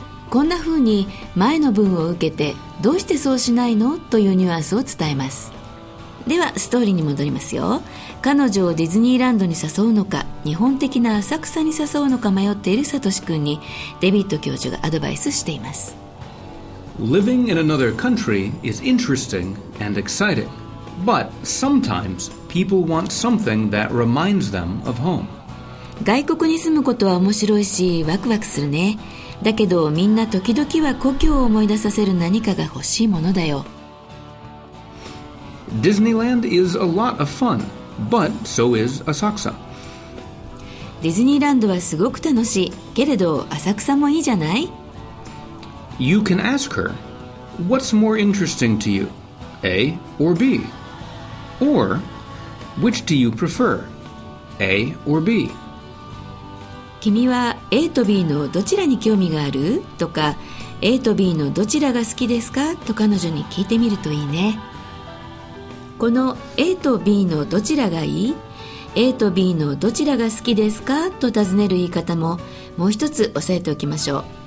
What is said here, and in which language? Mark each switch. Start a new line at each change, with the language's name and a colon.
Japanese: こんな風に前の文を受けて、どうしてそうしないの? というニュアンスを伝えます。ではストーリーに戻りますよ。彼女をディズニーランドに誘うのか、日本的な浅草に誘うのか迷っているサトシ君にデビッド教授がアドバイスしています。
English: Living in another country is interesting and exciting, but sometimes people want something that reminds them of home.
Japanese: 外国に住むことは面白いしワクワクするね。だけどみんな時々は故郷を思い出させる何かが欲しいものだよ。
English: ディズニーランド is a lot of fun, but so is Asakusa.
Japanese: ディズニーランドはすごく楽しい。けれど浅草もいいじゃない?
English: You can ask her, what's more interesting to you, A or B? Or, which do you prefer, A or B?
Japanese: 君は A と B のどちらに興味がある?とか、 A と B のどちらが好きですか? と彼女に聞いてみるといいね。この A と B のどちらがいい? A と B のどちらが好きですかと尋ねる言い方も、もう一つ押さえておきましょう。